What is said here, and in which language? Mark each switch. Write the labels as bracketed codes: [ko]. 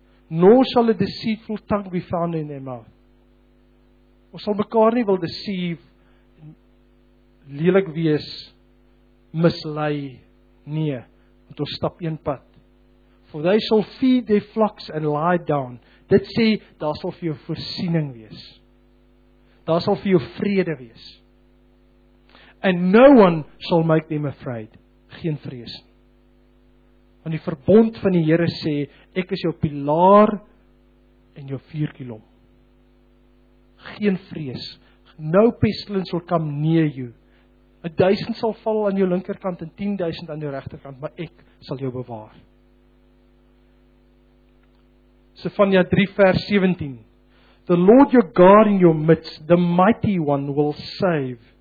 [en] Nor shall a deceitful tongue be found in their mouth. [af] Ons sal mekaar nie wil deceive, lelik wees, mislei nie, want ons stap een pad. [en] For they shall feed their flocks and lie down. [af] Dit sê, daar sal vir jou voorsiening wees. Daar sal vir jou vrede wees. [en] And no one shall make them afraid. [af] Geen vrees. Want die verbond van die Here sê, ek is jou pilaar en jou vuurkolom. Geen vrees. [en] No pestilence will come near you. [af] 1000 sal val aan jou linkerkant en 10,000 aan jou rechterkant, maar ek sal jou bewaar. Sefania 3 vers 17. [en] The Lord your God in your midst, the mighty one will save.